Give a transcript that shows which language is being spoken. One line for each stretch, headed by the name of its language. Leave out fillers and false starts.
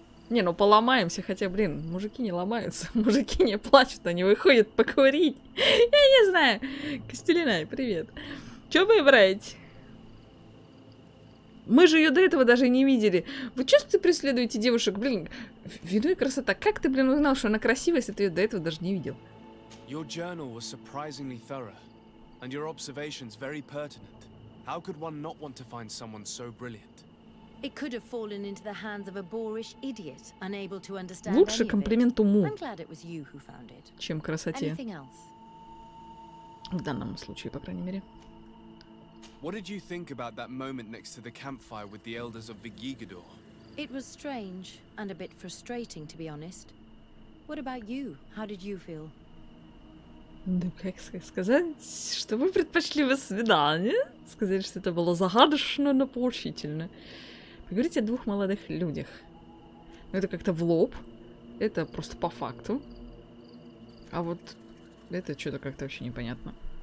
Russian: Не, ну поломаемся, хотя, блин, мужики не ломаются, мужики не плачут, они выходят покурить. Я не знаю. Костелинай, привет. Чё выбрать? Мы же ее до этого даже не видели. Вы часто преследуете девушек? Блин, виду и красота. Как ты, блин, узнал, что она красивая, если ты ее до этого даже не видел?
English: Your journal was surprisingly thorough, and your observations very pertinent. How could one not want to find someone so brilliant? It could have fallen into the hands of a boorish idiot, unable to understand.
Russian: Лучше комплимент уму.
English: I'm glad it was you who found it.
Russian: Чем красоте.
English: Anything else?
Russian: В данном случае, по крайней мере.
English: What did you think about that moment next to the campfire with the elders of Vigigador? It was strange and a bit frustrating, to be honest. What about you? How did you feel?
Russian: Ну, как сказать, что вы предпочли бы свидание? Сказать, что это было загадочно, но поучительно. Говорите о двух молодых людях. Ну, это как-то в лоб. Это просто по факту. А вот это что-то как-то вообще непонятно.